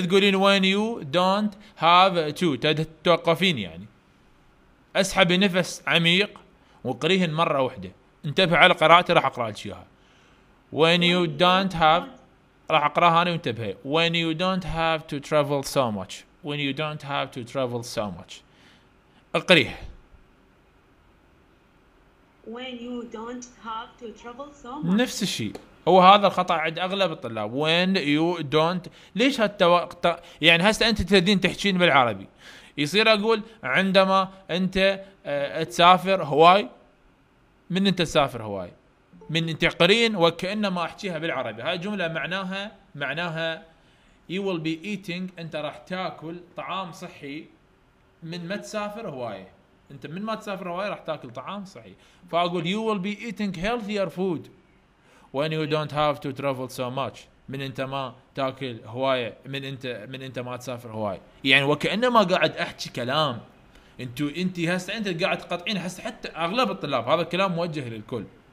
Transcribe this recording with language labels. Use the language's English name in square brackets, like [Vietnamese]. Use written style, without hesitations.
[Arabic] تقولين [English] when you don't have to [Arabic] تتوقفين يعني. اسحبي نفس عميق وقريهن مرة واحدة. انتبه على قراءتي راح اقرأ لك اياها. [English] When you don't have, [Arabic] راح اقراها انا وانتبهي. [English] When you don't have to travel so much. When you don't have to travel so much. [Arabic] اقريه. [English] When you don't have to travel so much. [Arabic] نفس الشيء. هو هذا الخطأ عند اغلب الطلاب. [English] When you don't, [Arabic] ليش هالتوقت يعني هسه انت تريدين تحكين بالعربي. يصير اقول عندما انت تسافر هواي. من انت تسافر هواي؟ من انت قرين وكانما احكيها بالعربي. هاي جمله معناها معناها [English] you will be eating, [Arabic] انت راح تاكل طعام صحي من ما تسافر هواي. انت من ما تسافر هواي راح تاكل طعام صحي. فاقول [English] you will be eating healthier food when you don't have to travel so much. [Arabic] من انت ما تاكل هواية, من انت من انت ما تسافر هواية. يعني وكأنما قاعد احكي كلام. انت هسه انت قاعد تقطعين هسه حتى اغلب الطلاب. هذا كلام موجه للكل.